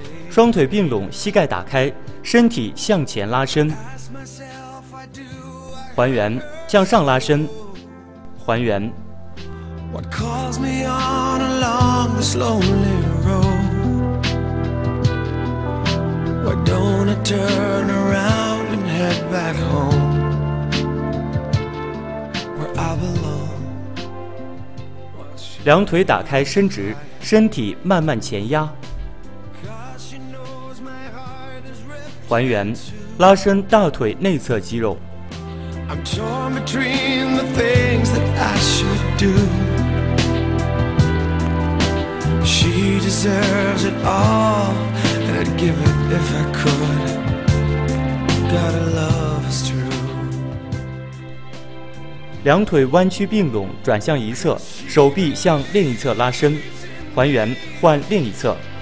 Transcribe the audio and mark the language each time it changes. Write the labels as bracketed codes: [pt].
[zh] 双腿并拢，膝盖打开，身体向前拉伸，还原，向上拉伸，还原。 [en] What calls me on along this lonely road? Why don't I turn around and head back home? Where I belong. [zh] 两腿打开，伸直，身体慢慢前压。还原，拉伸大腿内侧肌肉。 [en] I'm torn between the things that I should do. She deserves it all, and I'd give it if I could. Gotta love is true. [zh] 两腿弯曲并拢，转向一侧，手臂向另一侧拉伸，还原，换另一侧。